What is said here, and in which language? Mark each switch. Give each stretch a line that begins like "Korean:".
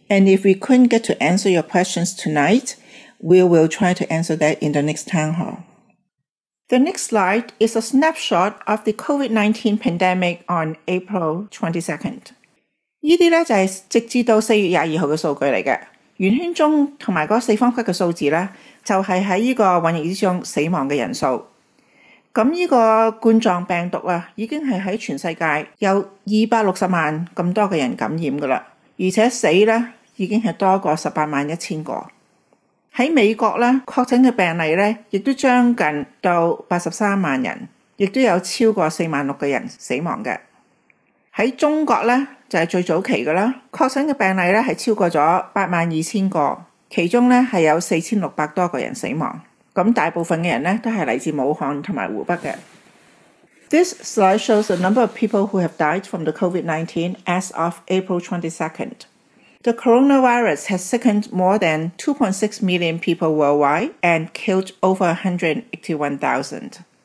English: And if we couldn't get to answer your questions tonight, we will try to answer that in the next town hall. The next slide is a snapshot of the COVID-19 pandemic on April 22nd.
Cantonese: 这些就是直至到4月22号的数据来的。原圈中和那个四方块的数字就是在这个瘟疫中死亡的人数。咁呢个冠状病毒啊，已经系喺全世界有260万咁多嘅人感染噶啦，而且死咧已经系多过18万1000个。喺美国咧，确诊嘅病例咧，亦都将近到83万人，亦都有超过46000嘅人死亡嘅。喺中国咧，就系、是、最早期噶啦，确诊嘅病例咧系超过咗82000个，其中咧系有4600多个人死亡。咁大部分嘅人咧都係嚟自武漢同埋湖北嘅。
English: This slide shows the number of people who have died from the COVID-19 as of April 22nd. The coronavirus has sickened more than 2.6 million people worldwide and killed over 181,000.